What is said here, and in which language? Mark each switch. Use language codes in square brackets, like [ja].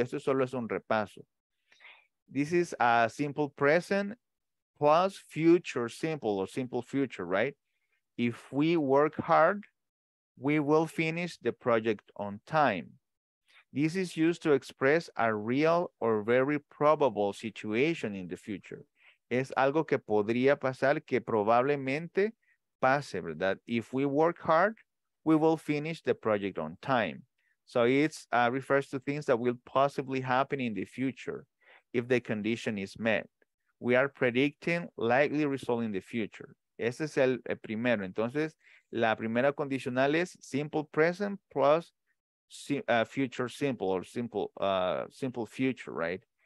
[en] Esto solo es un repaso. This is a simple present plus future simple or simple future, right? If we work hard, we will finish the project on time. This is used to express a real or very probable situation in the future. [es] Es algo que podría pasar, que probablemente pase, ¿verdad? [en] If we work hard, we will finish the project on time. So it refers to things that will possibly happen in the future if the condition is met. We are predicting likely result in the future. Ese es el primero. Entonces, la primera condicional es simple present plus future simple or simple simple future, right?